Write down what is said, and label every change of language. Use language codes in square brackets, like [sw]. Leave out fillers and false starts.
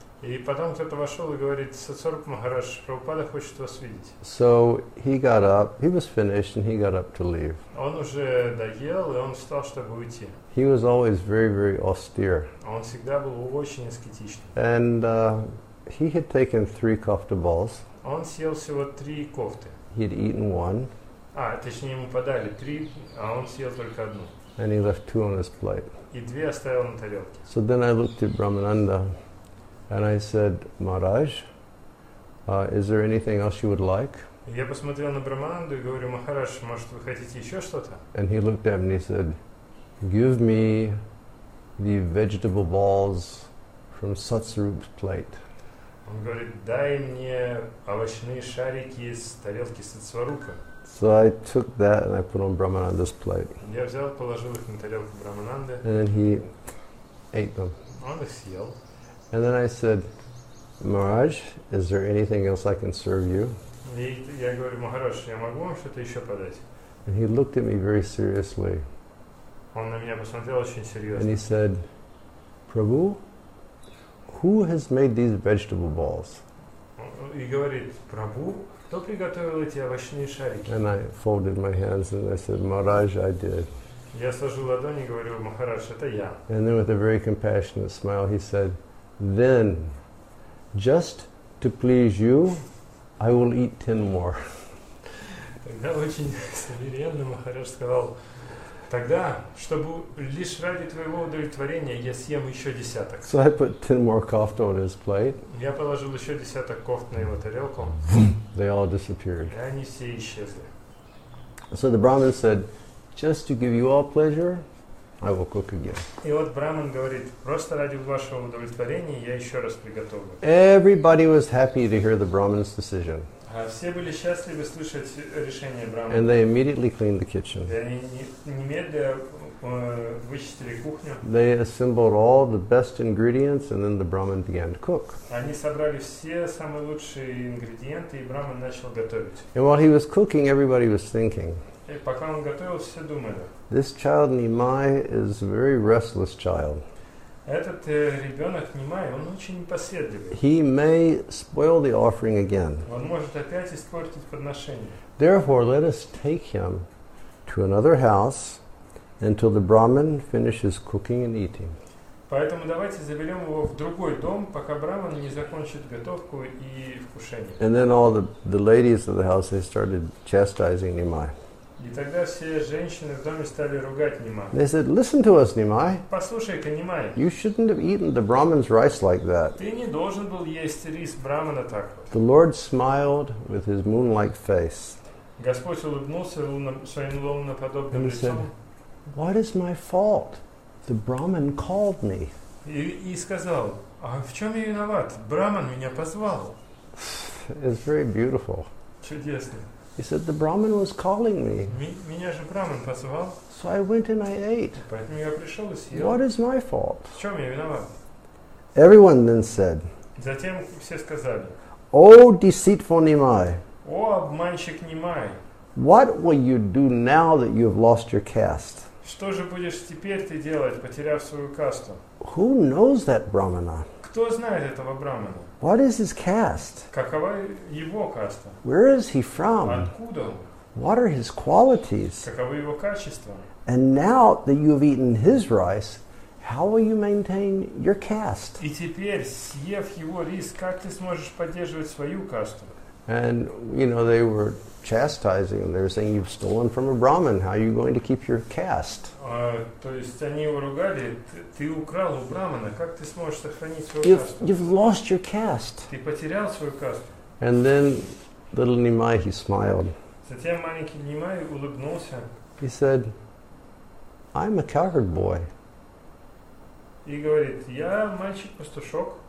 [ru] И потом кто-то вошел и говорит, Сатсарупа Махарадж, Прабхупада хочет вас видеть. [en] So he got up, he was finished and he got up to leave. [ru] Он уже доел и он встал, чтобы уйти. [en] He was always very, very austere. [ru] Он всегда был очень аскетичным. [en] And he had taken 3 kofta balls. [ru] Он съел всего 3 кофты. [en] He had eaten one. [ru] А, точнее, ему подали 3, а он съел только одну. [en] And he left 2 on his plate. [ru] и две оставил на тарелке. [en] So then I looked at Brahmananda and I said, Maharaj, is there anything else you would like? [ru] Я посмотрел на Брамананду и говорю, Махарадж, может, вы хотите еще что-то? [en] And he looked at me and he said, give me the vegetable balls from Satsarup's plate. [ru] Он говорит, дай мне овощные шарики из тарелки Сатсварупы. [en] So I took that and I put on Brahmananda's plate. [ru] Я взял, положил их на тарелку Брамананды. [en] And then he ate them. [ru] Он их съел. [en] And then I said, Maharaj, is there anything else I can serve you? [ru] И я говорю, Махарадж, я могу вам что-то еще подать? [en] And he looked at me very seriously. [ru] Он на меня посмотрел очень серьезно. [en] And he said, Prabhu, who has made these vegetable balls? [ru] И говорит, Прабу, кто приготовил эти овощные шарики? [en] And I folded my hands and I said, Maharaj, I did. [ru] Я сложил ладони и говорю, Махарадж, это я. [en] And then with a very compassionate smile, he said, then, just to please you, I will eat 10 more. [ru] Тогда очень смиренно Махарадж сказал, тогда, чтобы лишь ради твоего удовлетворения, я съем еще десяток. [en] So I put 10 more кофт on his plate. [ru] Я положил еще десяток кофт на его тарелку. [en] They all disappeared. [ru] И они все исчезли. [en] So the Brahmin said, just to give you all pleasure, I will cook again. [ru] И вот Брахман говорит, просто ради вашего удовлетворения я еще раз приготовлю. [en] Everybody was happy to hear the Brahmin's decision. [ru] Все были счастливы слышать решение Брахмана. [en] And they immediately cleaned the kitchen. [ru] И они немедленно вычистили кухню. [en] They assembled all the best ingredients and then the Brahmin began to cook. [ru] Они собрали все самые лучшие ингредиенты и Брахман начал готовить. [en] And while he was cooking, everybody was thinking. [ru] И пока он готовил, все думали. [en] This child Nimai is a very restless child. [ru] Этот ребенок Нимай, он очень непоседливый. [en] He may spoil the offering again. [ru] Он может опять испортить подношение. [en] Therefore, let us take him to another house until the Brahmin finishes cooking and eating. [ru] Поэтому давайте заберем его в другой дом, пока Брахман не закончит готовку и вкушение. [en] And then all the ladies of the house, they started chastising Nimai. [ru] И тогда все женщины в доме стали ругать Нимай. [en] They said, listen to us, Nimai. [ru] Послушай-ка, Нимай. [en] You shouldn't have eaten the Brahmin's rice like that. [ru] Ты не должен был есть рис Брахмана так вот. [en] The Lord smiled with his moon-like face. [ru] Господь улыбнулся своим луноподобным лицом. [en] And he said, what is my fault? The Brahmin called me. [ru] И сказал, а в чем я виноват? Брахман меня позвал. [en] It's very beautiful. [ru] Чудесно. [en] He said, the Brahmin was calling me. [ru] Меня же Брахман позвал. [en] So I went and I ate. [ru] Поэтому я пришел и съел. [en] What is my fault? [ru] В чем я виноват? [en] Everyone then said, [ru] затем все сказали, [en] O deceitful Nimai, [ru] о, обманщик Нимай, [en] what will you do now that you have lost your caste? [ru] Что же будешь теперь ты делать, потеряв свою касту? [en] Who knows that Brahmana? [ru] Кто знает этого Брахмана? [en] What is his caste? [ru] Какова его каста? [en] Where is he from? [ru] Откуда? [en] What are his qualities? [ru] Каковы его качества? [en] And now that you have eaten his rice, how will you maintain your caste? [ru] И теперь, съев его рис, как ты сможешь поддерживать свою касту? [en] And, you know, they were chastising him. They were saying, you've stolen from a Brahmin. How are you going to keep your caste? [ru] То есть они его ругали. Ты украл у Брахмана. Как ты сможешь сохранить свою касту? [en] You've lost your caste. [ru] Ты потерял свою касту. [en] And then little Nimai, he smiled. [ru] Затем маленький Нимай улыбнулся. [en] He said, I'm a cowherd boy. [ru] И говорит, я мальчик-пастушок.